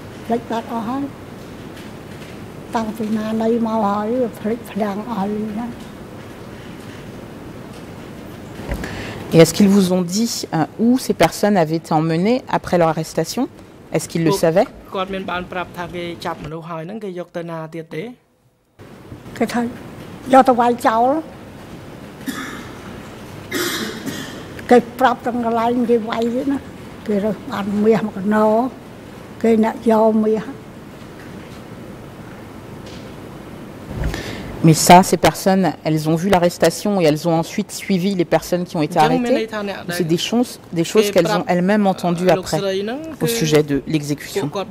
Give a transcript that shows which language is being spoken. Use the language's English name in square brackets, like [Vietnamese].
[Khmer] តាំងពីណានៃមកហើយវាផ្លិចផ្លាំងអស់ហើយណា [French] Et est-ce qu'ils vous ont dit où ces personnes avaient été emmenées après leur arrestation? Est-ce qu'ils le savaient? [Khmer] គាត់មានបានប្រាប់ថាគេចាប់មនុស្សហើយហ្នឹងគេយកទៅណាទៀតទេ គេថាយកទៅវាយចោលគេប្រាប់ទាំងកន្លែងគេវាយទៀតណាគេរើសបានមាសមកកណោគេអ្នកយកមាស [French] Mais ça, ces personnes, elles ont vu l'arrestation et elles ont ensuite suivi les personnes qui ont été arrêtées. C'est des choses qu'elles ont elles-mêmes entendues après, au sujet de l'exécution.